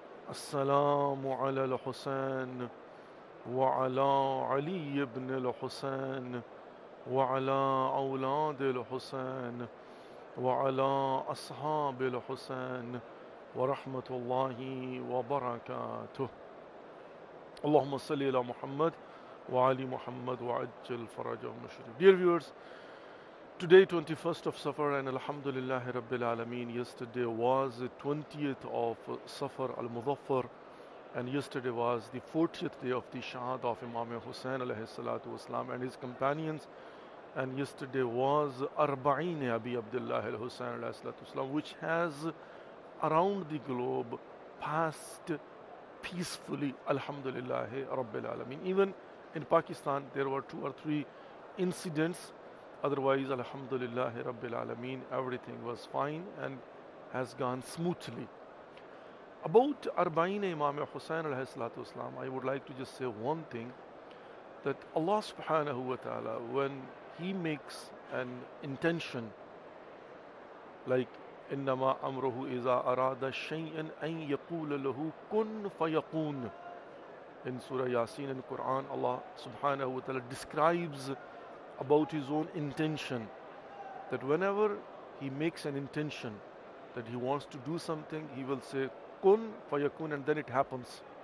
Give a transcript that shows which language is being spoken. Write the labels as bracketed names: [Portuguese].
[Arabic] السلام على الحسين وعلى علي بن الحسين وعلى أولاد الحسين وعلى أصحاب الحسين ورحمة الله وبركاته. اللهم صل على محمد وعلى محمد وعجل فرجه المشرف. [English] Dear viewers, today 21st of Safar and Alhamdulillah Rabbil Alameen. Yesterday was the 20th of Safar al-Mudhaffar, and yesterday was the 40th day of the Shahada of Imam Hussain alayhi salatu wasalam and his companions, and yesterday was Arba'in Abi Abdullah al-Hussain alayhi salatu wasalam, which has around the globe passed peacefully, Alhamdulillah Rabbil Alameen. Even in Pakistan there were two or three incidents. Otherwise, Alhamdulillah Rabbil Alameen, everything was fine and has gone smoothly. About Arba'in Imam Hussain alayhi salatu wasalam, I would like to just say one thing, that Allah subhanahu wa ta'ala, when He makes an intention, like [Arabic] إنما أمره إذا أراد شيئا أن يقول له كن فيكون. [English] In Surah Yasin in Quran, Allah subhanahu wa ta'ala describes about his own intention, that whenever he makes an intention that he wants to do something, he will say kun fayakun, and then it happens.